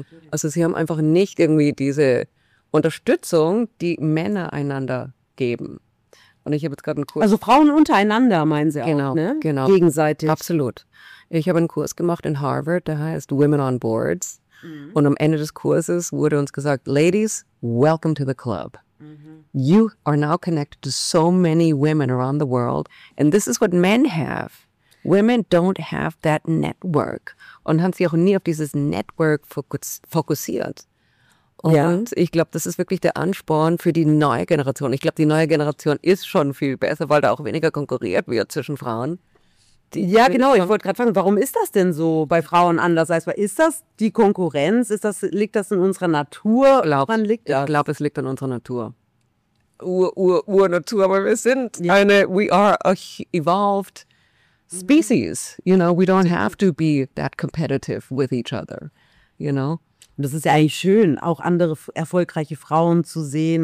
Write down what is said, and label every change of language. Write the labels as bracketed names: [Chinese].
[German] Also sie haben einfach nicht irgendwie diese Unterstützung, die Männer einander geben. Und ich habe jetzt gerade einen Kurs. Also Frauen untereinander, meinen Sie genau, auch, ne? Genau. Gegenseitig. Absolut. Ich habe einen Kurs gemacht in Harvard, der heißt Women on Boards. Mhm. Und am Ende des Kurses wurde uns gesagt, [English] Ladies, welcome to the club. Mhm. You are now connected to so many women around the world. And this is what men have. Women don't have that network. [German] Und haben sich auch nie auf dieses Network fokussiert. Und ich glaube, das ist wirklich der Ansporn für die neue Generation. Ich glaube, die neue Generation ist schon viel besser, weil da auch weniger konkurriert wird zwischen Frauen. Ich wollte gerade fragen, warum ist das denn so bei Frauen anders? Also ist das die Konkurrenz? Liegt das in unserer Natur? Ich glaube, es liegt an unserer Natur. Ur-Natur, aber wir sind [English] we are a evolved species. You know, we don't have to be that competitive with each other, you know? [German] Und das ist ja eigentlich schön, auch andere erfolgreiche Frauen zu sehen.